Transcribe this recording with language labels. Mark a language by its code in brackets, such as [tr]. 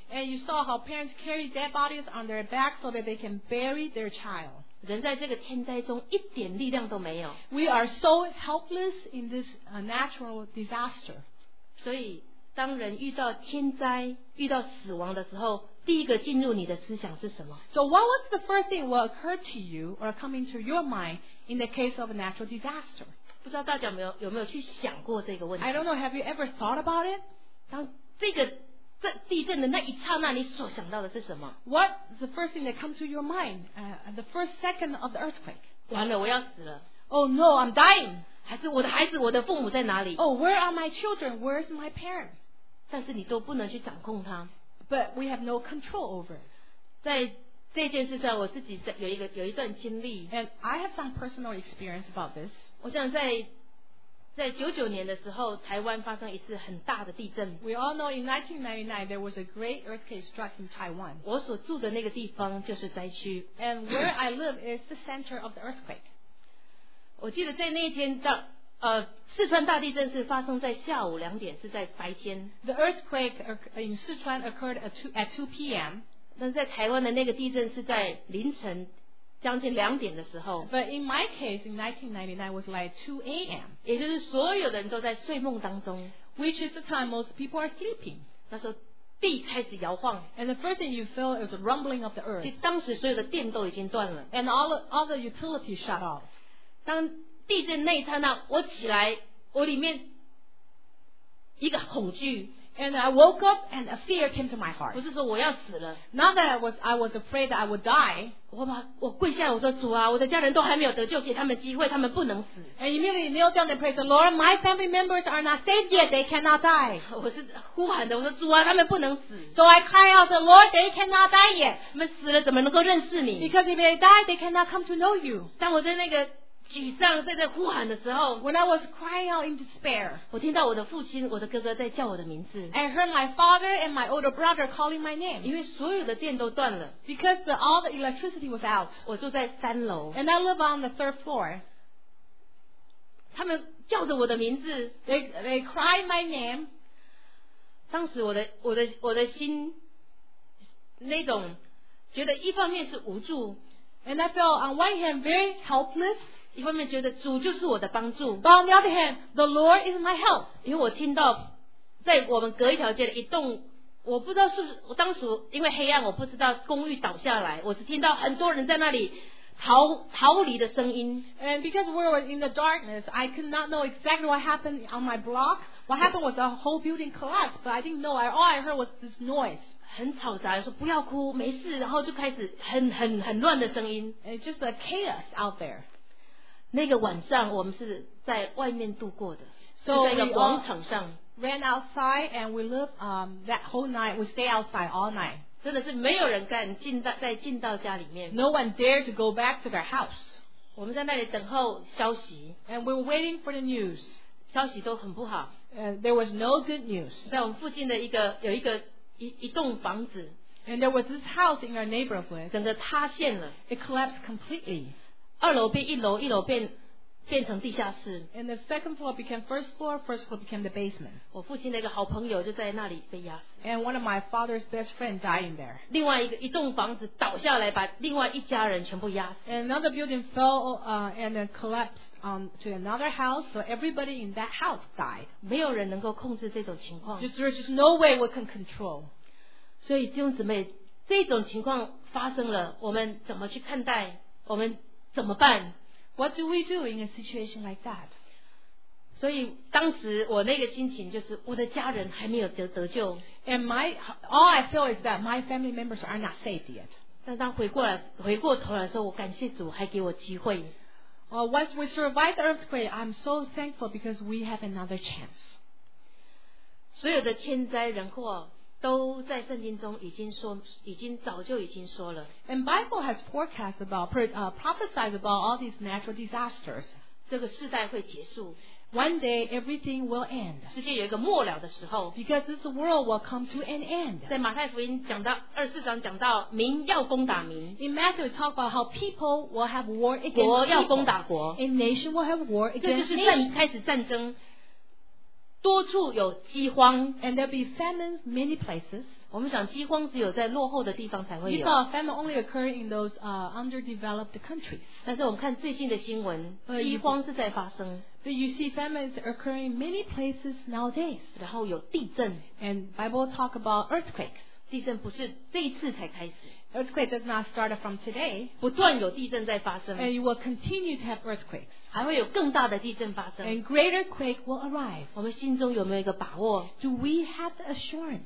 [en] And you saw how parents carry dead bodies on their back so that they can bury their child. [zh] 人在这个天灾中一点力量都没有。 [en] We are so helpless in this natural disaster. [zh] 所以当人遇到天灾遇到死亡的时候，第一个进入你的思想是什么？ [en] So what was the first thing will occur to you or come into your mind in the case of a natural disaster? [zh] 不知道大家有没有去想过这个问题。 [en] I don't know, have you ever thought about it? [zh] 当这地震的那一刹那，你所想到的是什么？ [en] What's the first thing that comes to your mind? The first second of the earthquake. [zh] 完了，我要死了。 [en] Oh no, I'm dying. [zh] 还是我的孩子，我的父母在哪里？ [en] Oh, where are my children? Where's my parent? [zh] 但是你都不能去掌控它。 [en] But we have no control over it. [zh] 在这件事上，我自己有一段经历。 [en] And I have some personal experience about this. [zh] 我想在99年的时候，台湾发生一次很大的地震。 [en] We all know in 1999 there was a great earthquake struck in Taiwan. [zh] 我所住的那个地方就是灾区。 [en] And where I live is the center of the earthquake. [zh] 我记得在那天四川大地震是发生在下午两点，是在白天。 [en] The earthquake in 四川 occurred at 2 p.m. [zh] 但在台湾的那个地震是在凌晨将近两点的时候。 [en] But in my case, in 1999, it was like 2 a.m. [zh] 也就是所有的人都在睡梦当中。 [en] Which is the time most people are sleeping. [zh] 那时候地开始摇晃。 [en] And the first thing you feel is the rumbling of the earth. [zh] 其实当时所有的电都已经断了。 [en] And all the utilities shut off. [zh] 当地震那一刹那，我起来，我里面一个恐惧。 [en] And I woke up and a fear came to my heart. [zh] 不是说我要死了。 [en] Not that I was afraid that I would die. [zh] 我跪下来，我说主啊，我的家人都还没有得救，给他们机会，他们不能死。 [en] And immediately kneel down and pray, the Lord, my family members are not saved yet, they cannot die. [zh] 我是呼喊的，我说主啊，他们不能死。 [en] So I cry out, the Lord, they cannot die yet. [zh] 他们死了怎么能够认识你？ [en] Because if they die, they cannot come to know you. [zh] 当我在那个沮丧在这呼喊的时候， [en] When I was crying out in despair, [zh] 我听到我的父亲我的哥哥在叫我的名字。 [en] I heard my father and my older brother calling my name. [zh] 因为所有的电都断了。 [en] Because all the electricity was out. [zh] 我住在三楼。 [en] And I live on the third floor. [zh] 他们叫着我的名字。 [en] They cry my name. [zh] 当时我的心那种觉得一方面是无助。 [en] And I felt on one hand very helpless. [zh] 一方面觉得主就是我的帮助。 [en] But on the other hand, the Lord is my help. [zh] 因为我听到在我们隔一条街的一栋，我不知道是不是，我当时因为黑暗，我不知道公寓倒下来，我只听到很多人在那里逃离的声音。 [en] And because we were in the darkness, I could not know exactly what happened on my block. What happened was the whole building collapsed, but I didn't know. All I heard was this noise. [zh] 很吵杂，说不要哭，没事，然后就开始很乱的声音。 [en] It's just a chaos out there. [zh] 那个晚上我们是在外面度过的、 [en] so、 [zh] 在一个广场上 [en] ran outside and we live that whole night we stay outside all night [zh] 真的是没有人敢再进到家里面 [en] no one dared to go back to their house [zh] 我们在那里等候消息 [en] and we were waiting for the news [zh] 消息都很不好 [en] there was no good news [zh] 在我们附近的有一个 一栋房子 [en] and there was this house in our neighborhood [zh] 整个塌陷了 [en] it collapsed completely [zh] 二楼变一楼，一楼变成地下室。 [en] And the second floor became first floor, first floor became the basement. [zh] 我父亲的一个好朋友就在那里被压死。 [en] And one of my father's best friend died there. [zh] 另外一栋房子倒下来，把另外一家人全部压死。 [en] And another building fell and then collapsed to another house, so everybody in that house died. [zh] 没有人能够控制这种情况。 [en] There is just no way we can control. [zh] 所以弟兄姊妹，这种情况发生了，我们怎么去看待？我们怎么办 [en] What do we do in a situation like that? [zh] 所以当时我那个心情就是我的家人还没有 得救。 [en] And my, all I feel is that my family members are not saved yet. [zh] 但当回过头来说，我感谢主还给我机会。 [en] Once we survived the earthquake, I'm so thankful because we have another chance. [zh] 所有的天灾人祸都在圣经中已经说，已经早就已经说了。 [en] And Bible has forecast about, prophesied about all these natural disasters. [zh] 这个世代会结束。 [en] One day everything will end. [zh] 世界有一个末了的时候。 [en] Because this world will come to an end. [zh] 在马太福音讲到二十四章讲到民要攻打民。 [en] In Matthew talk about how people will have war against people. [zh] 国要攻打国。 [en] A nation will have war against nation. [zh] 这就是开始战争。多处有饥荒。 [en] And there will be famines many places. [zh] 我们想饥荒只有在落后的地方才会有。 [en] We thought famine only occurred in those underdeveloped countries. [zh] 但是我们看最近的新闻，饥荒是在发生。 [en] But you see famine is occurring in many places nowadays. [zh] 然后有地震。 [en] And Bible talk about earthquakes. [zh] 地震不是这一次才开始。 [en] Earthquake does not start from today. [zh] 不断有地震在发生。 [en] And you will continue to have earthquakes. [zh] 还会有更大的地震发生。 [en] And greater quake will arrive. [zh] 我们心中有没有一个把握？ [en] Do we have the assurance?